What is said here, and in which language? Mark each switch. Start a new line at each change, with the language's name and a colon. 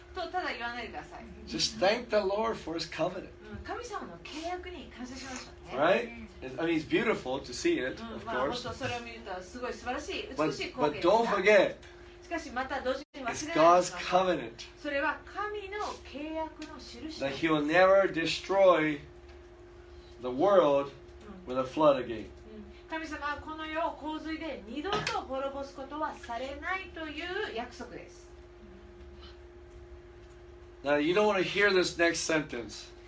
Japanese: とただ言わないでください。
English: Just thank the Lord for His covenant.
Japanese: 神様の契約に感謝しましょうね。
English: Right? I mean, it's beautiful to see it, of course.
Japanese: それを見るとすごい素晴らしい、美しい光景です。
English: But don't forget.
Japanese: しかしまた同時に忘れないでください。
English: It's God's covenant.
Japanese: それは神の契約の印。
English: That He will never destroy the world with a flood again.
Japanese: 神様はこの世を洪水で二度と滅ぼすことはされないという約束です。
English: Now, you don't want to hear this next sentence.